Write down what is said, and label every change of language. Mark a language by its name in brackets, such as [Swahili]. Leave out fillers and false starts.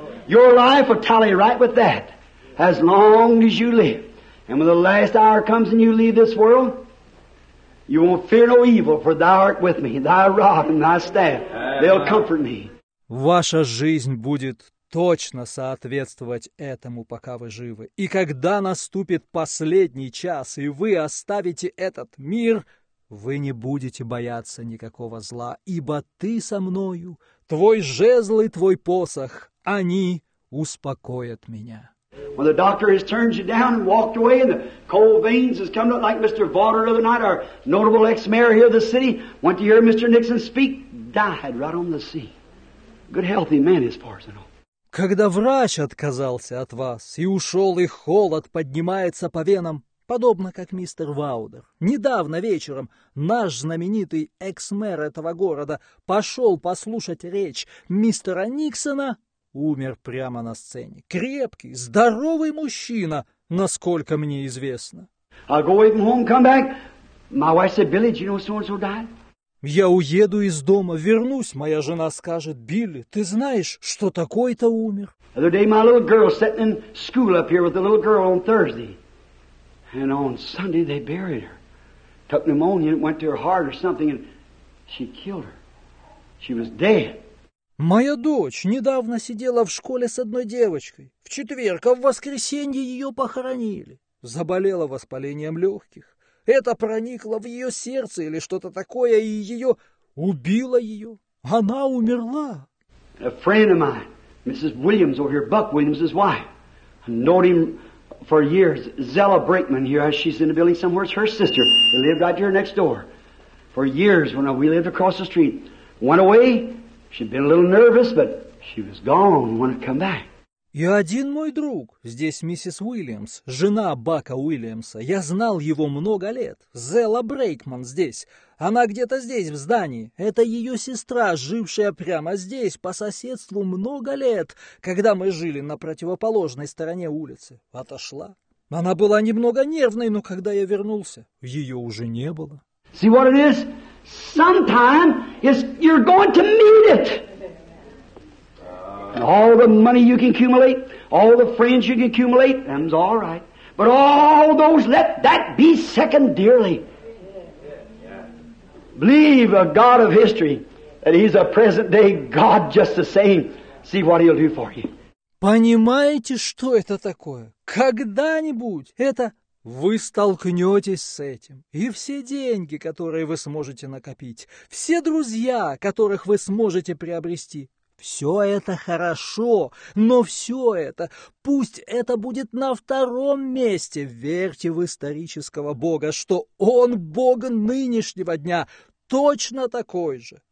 [English] Your life will tally right with that, as long as you live. And when the last hour comes and you leave this world, you won't fear no evil, for thou art with me, thy rod and thy staff, they'll comfort me. [Russian] Ваша жизнь будет точно соответствовать этому, пока вы живы. И когда наступит последний час, и вы оставите этот мир, вы не будете бояться никакого зла, ибо ты со мною, твой жезл и твой посох, они успокоят меня. [English] When the doctor has turned you down and walked away and the cold veins has come up like Mr. Vauder the other night, our notable ex-mayor here of the city, went to hear Mr. Nixon speak, died right on the sea. Good healthy man as far as I know. [Russian] Когда врач отказался от вас и ушел, и холод поднимается по венам, подобно как мистер Ваудер. Недавно вечером наш знаменитый экс-мэр этого города пошел послушать речь мистера Никсона, умер прямо на сцене. Крепкий, здоровый мужчина, насколько мне известно. [English] I'll go even home, come back. My wife said, Billy, you know so-and-so died? [Russian] Я уеду из дома, вернусь. Моя жена скажет, Билли, ты знаешь, что такой-то умер? [English] The other day my little girl sitting in school up here with a little girl on Thursday. And on Sunday they buried her. Took pneumonia and went to her heart or something and she killed her. She was dead. [Russian] Моя дочь недавно сидела в школе с одной девочкой. В четверг, а в воскресенье ее похоронили. Заболела воспалением легких. Это проникло в ее сердце или что-то такое, и ее убило ее. Она умерла. [English] A friend of mine, Mrs. Williams over here, Buck Williams, his wife. I've known him for years. Zella Brinkman here, she's in the building somewhere. It's her sister. They lived right here next door. For years, when we lived across the street, went away. She'd been a little nervous, but she was gone when I come back. [Russian] И один мой друг, здесь миссис Уильямс, жена Бака Уильямса, я знал его много лет, Зела Брейкман здесь, она где-то здесь, в здании, это ее сестра, жившая прямо здесь, по соседству много лет, когда мы жили на противоположной стороне улицы, отошла. Она была немного нервной, но когда я вернулся, ее уже не было. [English] See what it is? Sometime is you're going to meet it. And all the money you can accumulate, all the friends you can accumulate, them's all right. But all those, let that be second dearly. Believe a God of history that He's a present day God just the same. See what He'll do for you. [Russian] Понимаете, что это такое? Когда-нибудь это вы столкнетесь с этим. И все деньги, которые вы сможете накопить, все друзья, которых вы сможете приобрести, все это хорошо, но все это, пусть это будет на втором месте, верьте в исторического Бога, что Он Бог нынешнего дня, точно такой же.